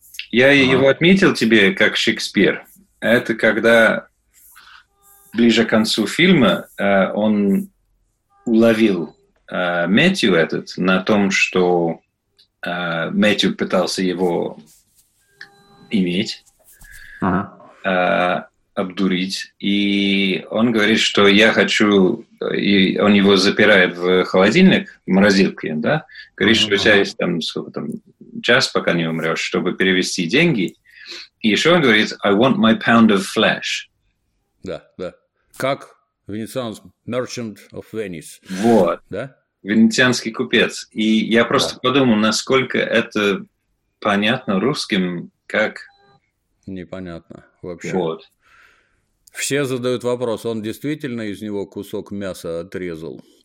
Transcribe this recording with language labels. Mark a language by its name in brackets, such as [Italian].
[Russian] Я его отметил тебе как Шекспир. Это когда ближе к концу фильма он уловил Мэтью этот на том, что Мэтью пытался его иметь, обдурить. И он говорит, что я хочу... И он его запирает в холодильник, в морозилке, да? Говорит, что у тебя есть там, сколько там, час, пока не умрешь, чтобы перевести деньги. И еще он говорит, [English] I want my pound of flesh. [Russian] Да, да. Как Венецианский [English] merchant of Venice. [Russian] Вот. Да? Венецианский купец. И я просто подумал, насколько это понятно русским, как... Непонятно вообще. Вот. Все задают вопрос, он действительно из него кусок мяса отрезал?